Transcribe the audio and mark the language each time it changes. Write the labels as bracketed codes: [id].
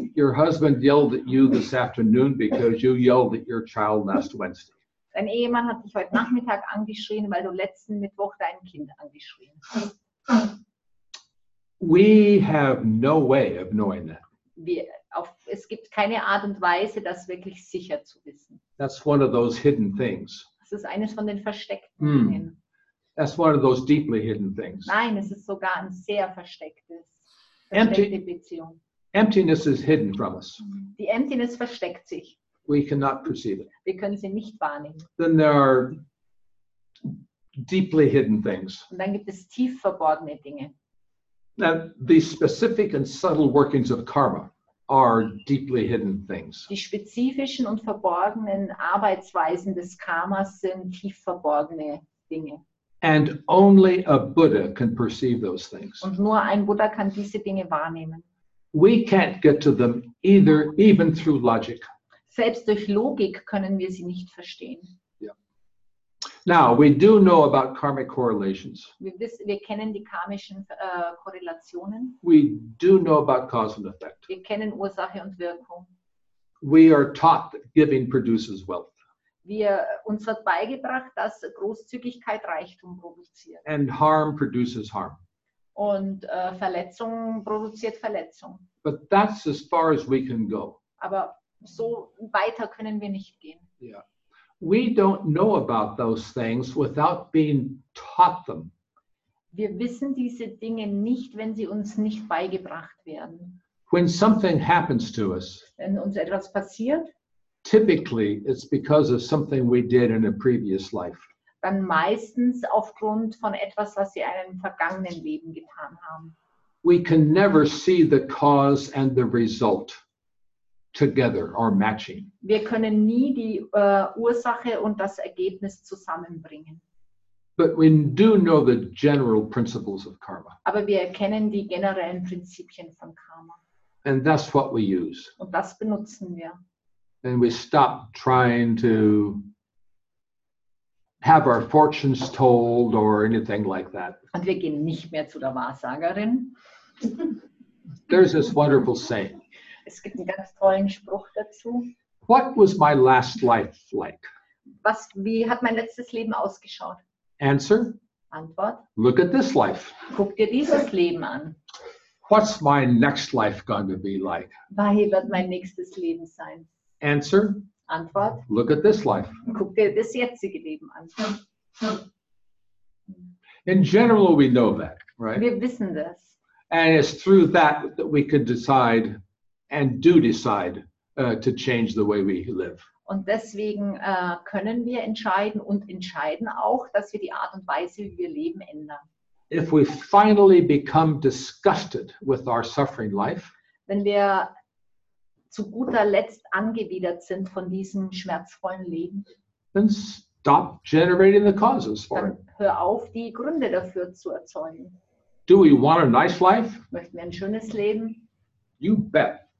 [en] Your husband yelled at you this afternoon because you yelled at your child last Wednesday. [de] Dein Ehemann hat dich heute Nachmittag angeschrien, weil du letzten Mittwoch dein Kind angeschrien hast. [en] We have no way of knowing that. [de] Es gibt keine Art und Weise, das wirklich sicher zu wissen. [en] That's one of those hidden things. [de] Das ist eines von den versteckten Dingen. [en] That's one of those deeply hidden things. [de] Nein, es ist sogar ein sehr verstecktes. Versteckte Beziehung. [en] Emptiness is hidden from us. [de] Die Emptiness versteckt sich. [en] We cannot perceive it. [de] Wir können sie nicht wahrnehmen. [en] Then there are deeply hidden things. [de] Und dann gibt es tief verborgene Dinge. [en] Now, the specific and subtle workings of karma are deeply hidden things. [de] Die spezifischen und verborgenen Arbeitsweisen des Karmas sind tief verborgene Dinge. [en] And only a Buddha can perceive those things. [de] Und nur ein Buddha kann diese Dinge wahrnehmen. [en] We can't get to them either, even through logic. [de] Selbst durch Logik können wir sie nicht verstehen. [en] Yeah. Now, we do know about karmic correlations. [de] Wir kennen die karmischen Korrelationen. [en] We do know about cause and effect. [de] Wir kennen Ursache und Wirkung. [en] We are taught that giving produces wealth. [de] Uns wird beigebracht, dass Großzügigkeit Reichtum produziert. [en] And harm produces harm. [de] Und Verletzung produziert Verletzung. [en] But that's as far as we can go. [de] Aber so weiter können wir nicht gehen. [en] Yeah. We don't know about those things without being taught them. [de] Wir wissen diese Dinge nicht, wenn sie uns nicht beigebracht werden. [en] When something happens to us, [de] wenn uns etwas passiert, [en] typically it's because of something we did in a previous life. [de] Dann meistens aufgrund von etwas, was wir in einem vergangenen Leben getan haben. [en] We can never see the cause and the result together or matching. [de] Wir können nie die Ursache und das Ergebnis zusammenbringen. [en] But we do know the general principles of karma. [de] Aber wir erkennen die generellen Prinzipien von Karma. [en] And that's what we use. [de] Und das benutzen wir. [en] And we stop trying to have our fortunes told or anything like that. [de] Und wir gehen nicht mehr zu der Wahrsagerin. [en] There's this wonderful saying. [de] Es gibt einen ganz tollen Spruch dazu. [en] What was my last life like? [de] Wie hat mein letztes Leben ausgeschaut? [en] Answer. [de] Antwort. [en] Look at this life. [de] Guck dir dieses Leben an. [en] What's my next life going to be like? [de] Wie wird mein nächstes Leben sein? [en] Answer. [de] Antwort. [en] Look at this life. [de] Guck dir das jetzige Leben an. [en] In general, we know that, right? [de] Wir wissen das. [en] And it's through that that we can decide and do decide to change the way we live. [de] Und deswegen können wir entscheiden und entscheiden auch, dass wir die Art und Weise, wie wir leben, ändern. [en] If we finally become disgusted with our suffering life, [de] wenn wir zu guter Letzt angewidert sind von diesem schmerzvollen Leben, [en] then stop generating the causes for [de] it. Hör auf, die Gründe dafür zu erzeugen. [en] Do we want a nice life? [de] Möchten wir ein schönes Leben? [en] You bet.